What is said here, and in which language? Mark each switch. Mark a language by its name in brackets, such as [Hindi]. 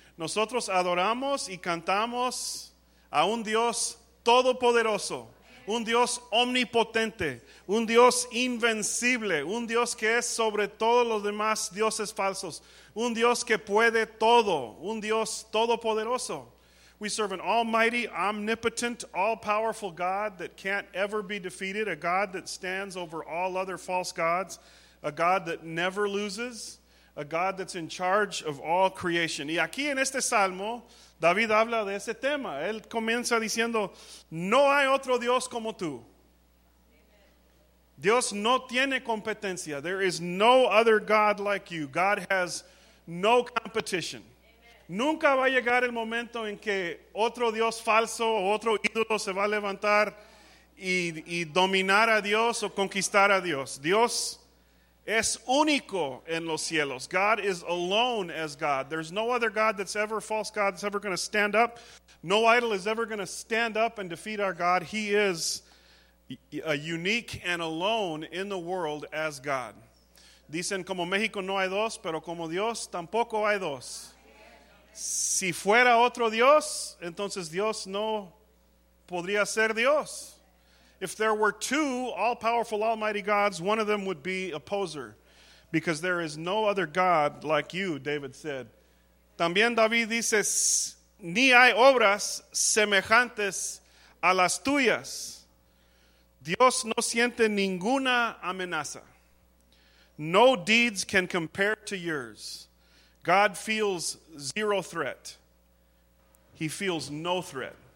[Spanish] Nosotros adoramos y cantamos a un Dios todopoderoso, un Dios omnipotente, un Dios invencible, un Dios que es sobre todos los demás dioses falsos, un Dios que puede todo, un Dios todopoderoso. [English] We serve an almighty, omnipotent, all-powerful God that can't ever be defeated, a God that stands over all other false gods, a God that never loses, a God that's in charge of all creation. [Spanish] Y aquí en este salmo, David habla de ese tema. Él comienza diciendo, no hay otro Dios como tú. Dios no tiene competencia. [English] There is no other God like you. God has no competition. [Spanish] Nunca va a llegar el momento en que otro Dios falso o otro ídolo se va a levantar y dominar a Dios o conquistar a Dios. Dios es único en los cielos. [English] God is alone as God. There's no other God that's ever, false God, that's ever going to stand up. No idol is ever going to stand up and defeat our God. He is unique and alone in the world as God. [Spanish] Dicen, como México no hay dos, pero como Dios tampoco hay dos. Si fuera otro Dios, entonces Dios no podría ser Dios. [English] If there were two all-powerful, almighty gods, one of them would be opposer. Because there is no other God like you, David said. [Spanish] También David dice, ni hay obras semejantes a las tuyas. Dios no siente ninguna amenaza. [English] No deeds can compare to yours. God feels zero threat. He feels no threat.